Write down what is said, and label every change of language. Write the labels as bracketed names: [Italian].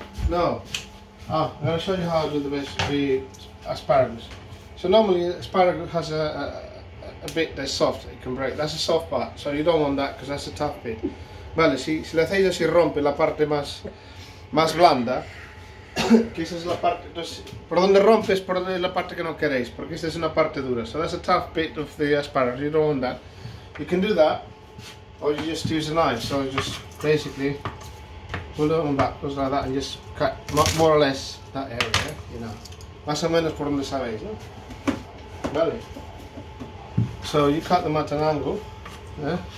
[English] I'm going to show you how to do the asparagus. So normally asparagus has a bit that's soft, it can break. That's a soft part, so you don't want that because that's a tough bit. [Spanish] Vale, si le hacéis así, rompe la parte más blanda, que esa es la parte, entonces, por donde rompes, por donde es la parte que no queréis, porque esta es una parte dura. [English] So that's a tough bit of the asparagus, you don't want that. You can do that, or you just use a knife, so just basically pull it on back, goes like that, and just cut more or less that area, you know. [Spanish] Más o menos por donde sabéis, ¿no? Vale. [English] So you cut them at an angle, yeah?